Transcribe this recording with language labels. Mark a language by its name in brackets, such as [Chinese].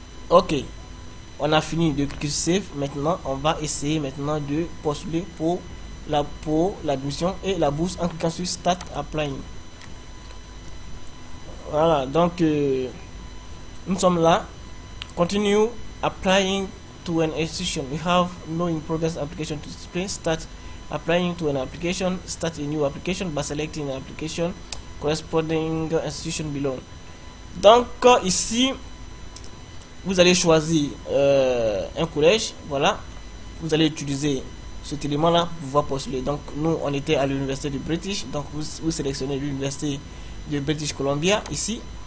[French] Ok, on a fini de cliquer sur save. Maintenant on va essayer maintenant de postuler pour l'admission et la bourse en cliquant sur start applying. Voilà, donc nous sommes là. [English] Continue applying to an institution. We have no in progress application to display. Start applying to an application. Start a new application by selecting an application corresponding institution below. [French] Donc ici, vous allez choisir un collège. Voilà, vous allez utiliser cet élément-là pour pouvoir postuler. Donc nous, on était à l'université du British. Donc vous sélectionnez l'université du British Columbia ici.